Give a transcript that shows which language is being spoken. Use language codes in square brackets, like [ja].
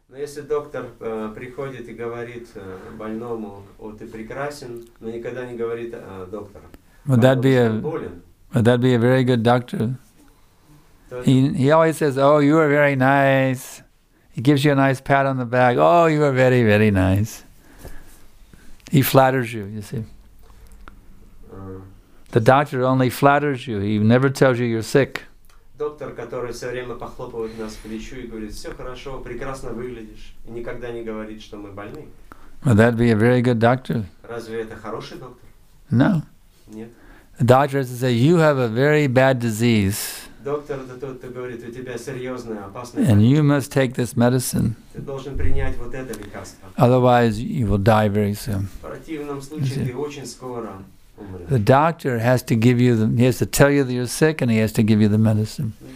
[ru] Если доктор приходит и говорит больному, о, ты прекрасен, но никогда не говорит доктор. [en] Would that be a very good doctor? He always says, "Oh, you are very nice." He gives you a nice pat on the back. "Oh, you are very, very nice." He flatters you, you see. The doctor only flatters you. He never tells you you're sick. [ru] Доктор, который все время похлопывает нас по плечу и говорит, все хорошо, прекрасно выглядишь, и никогда не говорит, что мы больны. [en] Would that be a very good doctor? [ru] Разве это хороший доктор? [en] No. [ru] Нет. [en] The doctor has to say, "You have a very bad disease." [ru] Доктор, это тот, кто говорит, у тебя серьезная опасность. [en] And you must take this medicine. [ru] Ты должен принять вот это лекарство. [en] Otherwise, you will die very soon. [ru] В противном случае, ты очень скоро. [en] The doctor has to give you he has to tell you that you're sick and he has to give you the medicine.